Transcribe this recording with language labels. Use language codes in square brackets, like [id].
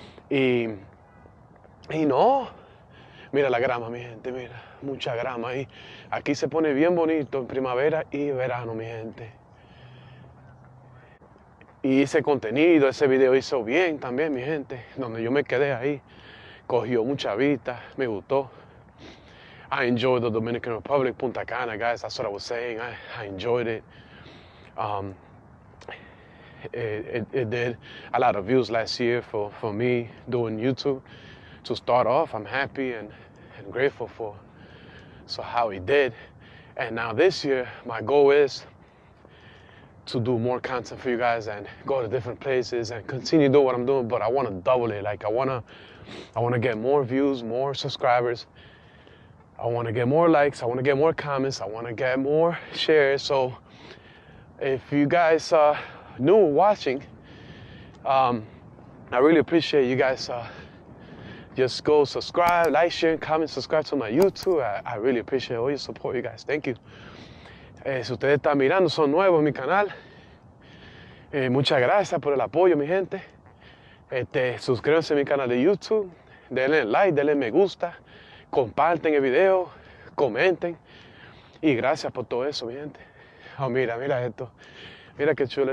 [es] Y no, mira la grama, mi gente, mira, mucha grama ahí. Aquí se pone bien bonito en primavera y verano, mi gente. Y ese contenido, ese video hizo bien también, mi gente, donde yo me quedé ahí, cogió mucha vista, me gustó. [en] I enjoyed the Dominican Republic, Punta Cana, guys, that's what I was saying. I enjoyed it. It did a lot of views last year for me doing YouTube to start off. I'm happy and grateful for so how it did. And now this year, my goal is to do more content for you guys and go to different places and continue doing what I'm doing, but I want to double it. Like I want to get more views, more subscribers. I want to get more likes, I want to get more comments, I want to get more shares. So if you guys are new watching, I really appreciate you guys. Just go subscribe, like, share, comment, subscribe to my YouTube. I really appreciate all your support, you guys. Thank you. [es] Si ustedes están mirando, son nuevos en mi canal. Muchas gracias por el apoyo, mi gente. Suscríbanse a mi canal de YouTube. Denle like, denle me gusta. Comparten el video, comenten y gracias por todo eso, mi gente. Oh, mira, mira esto. Mira qué chulo.